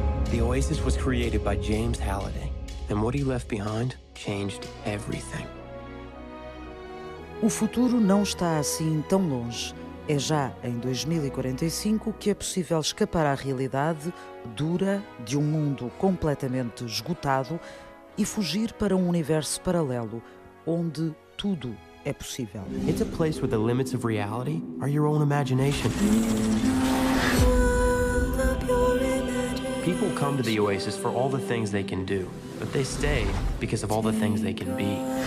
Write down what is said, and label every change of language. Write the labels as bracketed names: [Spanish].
[English] The Oasis was created by James Halliday, and what he left behind changed everything. [Portuguese] O futuro não está assim tão longe. É já em 2045 que é possível escapar à realidade dura de um mundo completamente esgotado e fugir para um universo paralelo, onde tudo é possível. [English] It's a place where the limits of reality are your own imagination. People come to the Oasis for all the things they can do, but they stay because of all the things they can be.